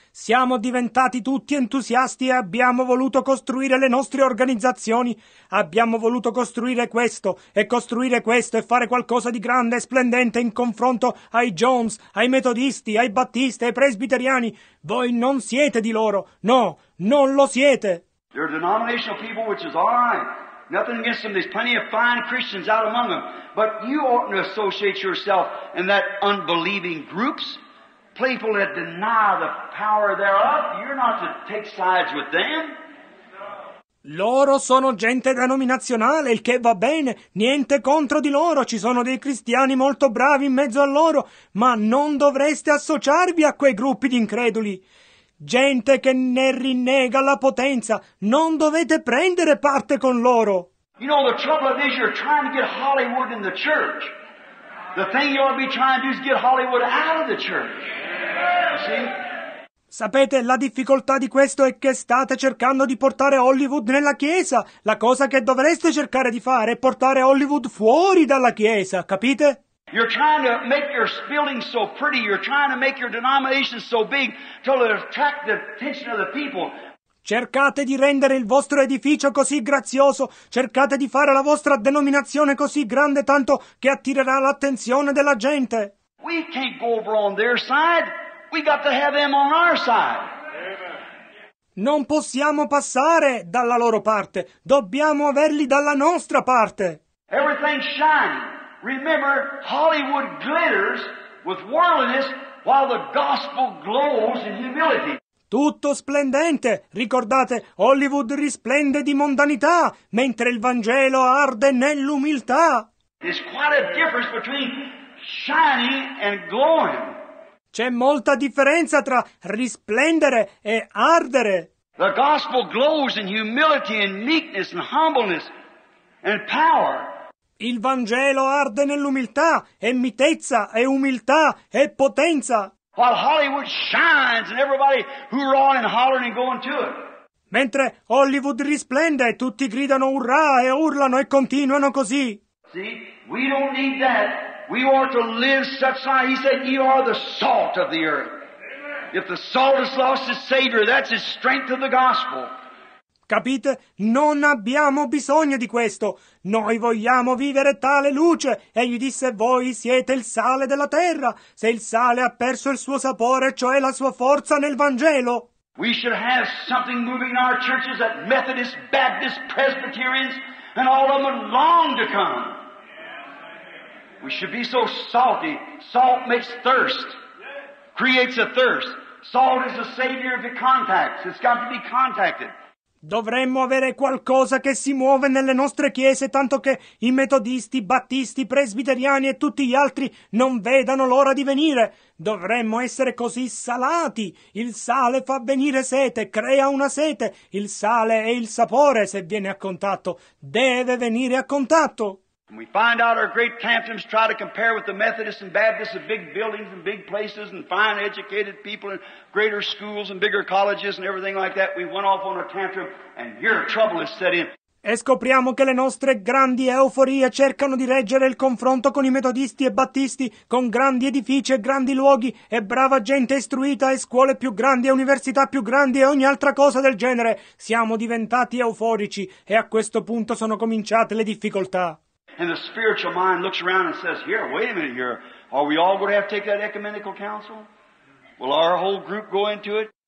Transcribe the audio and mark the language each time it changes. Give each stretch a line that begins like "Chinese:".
Italian: Siamo diventati tutti entusiasti e abbiamo voluto costruire le nostre organizzazioni. Abbiamo voluto costruire questo e fare qualcosa di grande e splendente in confronto ai Jones, ai Metodisti, ai Battisti, ai Presbiteriani. Voi non siete di loro. No, non lo siete.
English: They're denominational people, which is all right. Nothing against them. There's plenty of fine Christians out among them. But you oughtn't associate yourself in that unbelieving groups. People that deny the power thereof, you're not to take sides with them.
Italian: Loro sono gente denominazionale, il che va bene, niente contro di loro, ci sono dei cristiani molto bravi in mezzo a loro, ma non dovreste associarvi a quei gruppi di increduli. Gente che ne rinnega la potenza, non dovete prendere parte con loro.
English: You know, the trouble of this, you're trying to get Hollywood in the church. The thing you ought to be trying to do is get Hollywood out of the church. You see?
Italian: Sapete, la difficoltà di questo è che state cercando di portare Hollywood nella chiesa. La cosa che dovreste cercare di fare è portare Hollywood fuori dalla chiesa, capite?
English: You're trying to make your building so pretty, you're trying to make your denomination so big till it attract the attention of the people.
Italian: Cercate di rendere il vostro edificio così grazioso, cercate di fare la vostra denominazione così grande tanto che attirerà l'attenzione della gente.
English: We can't go over on their side, we got to have them on our side. Amen.
Italian: Non possiamo passare dalla loro parte, dobbiamo averli dalla nostra parte.
English: Everything shiny. Remember, Hollywood glitters with worldliness while the gospel glows in humility.
Italian: Tutto splendente, ricordate, Hollywood risplende di mondanità, mentre il Vangelo arde nell'umiltà.
English: There's quite a difference between shiny and glowing.
Italian: C'è molta differenza tra risplendere e ardere.
English: The gospel glows in humility and meekness and humbleness and power.
Italian: Il Vangelo arde nell'umiltà e mitezza e umiltà e potenza.
English: While Hollywood shines and everybody hurrahing and hollering and going to it.
Italian: Mentre Hollywood risplende e tutti gridano urrà e urlano e continuano così.
English: See, we don't need that. We want to live such life. He said, you are the salt of the earth. If the salt has lost its savior, that's its strength of the gospel.
Italian: Capite? Non abbiamo bisogno di questo. Noi vogliamo vivere tale luce. E gli disse, voi siete il sale della terra. Se il sale ha perso il suo sapore, cioè la sua forza nel Vangelo.
English: We should have something moving in our churches that Methodists, Baptists, Presbyterians, and all of them would long to come. We should be so salty. Salt makes thirst. Creates a thirst. Salt is the savior of the contacts. It's got to be contacted.
Italian: Dovremmo avere qualcosa che si muove nelle nostre chiese, tanto che i metodisti, battisti, presbiteriani e tutti gli altri non vedano l'ora di venire. Dovremmo essere così salati. Il sale fa venire sete, crea una sete. Il sale è il sapore, se viene a contatto. Deve venire a contatto.
English: We find out our great tantrums try to compare with the Methodists and Baptists of big buildings and big places and fine educated people and greater schools and bigger colleges and everything like that. We went off on a tantrum and your trouble is set in.
Italian: E scopriamo che le nostre grandi euforie cercano di reggere il confronto con i metodisti e battisti, con grandi edifici e grandi luoghi e brava gente istruita e scuole più grandi e università più grandi e ogni altra cosa del genere. Siamo diventati euforici e a questo punto sono cominciate le difficoltà.
English: And the spiritual mind looks around and says, here, wait a minute here, are we all going to have to take that ecumenical council? Will our whole group go into it?